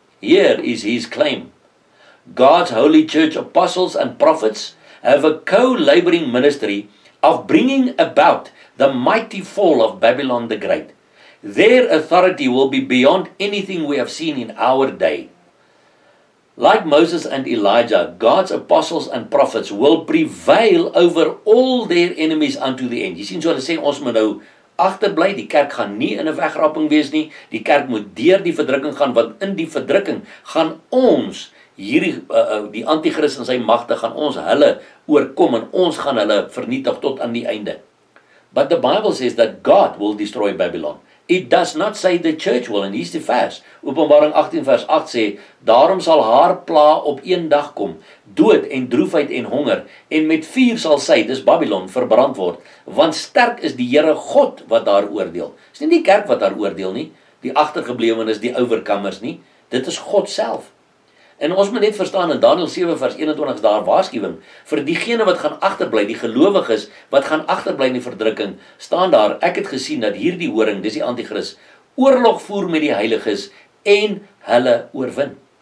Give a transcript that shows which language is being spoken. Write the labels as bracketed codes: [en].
[en] Here is his claim. God's holy church apostles and prophets have a co-laboring ministry of bringing about the mighty fall of Babylon the Great. Their authority will be beyond anything we have seen in our day. Like Moses and Elijah, God's apostles and prophets will prevail over all their enemies unto the end. [af] Jy sien, so hulle sê, ons moet nou agterbly, die kerk gaan nie in 'n wegraping wees nie, die kerk moet deur die verdrukking gaan, want in die verdrukking gaan ons, hierdie, die antichrist en sy magte, gaan ons hulle oorkom en ons gaan hulle vernietig tot aan die einde. [en] But the Bible says that God will destroy Babylon. It does not say the church will, and here's the verse. [af] Openbaring 18 vers 8 sê, daarom sal haar pla op een dag kom, dood en droefheid en honger, en met vuur sal sy, dis Babylon, verbrand word, want sterk is die Here God wat daar oordeel. Dis nie die kerk wat daar oordeel nie, die agtergeblewen is die overkammers nie, dit is God self. En ons moet net verstaan, in Daniel 7 vers 21 is daar waarskuwing, vir diegene wat gaan achterblij, die gelowiges wat gaan achterblij in die verdrukking, staan daar, ek het gesien dat hier die horing, dis die antichris, oorlog voer met die heiliges, en hulle oorwin.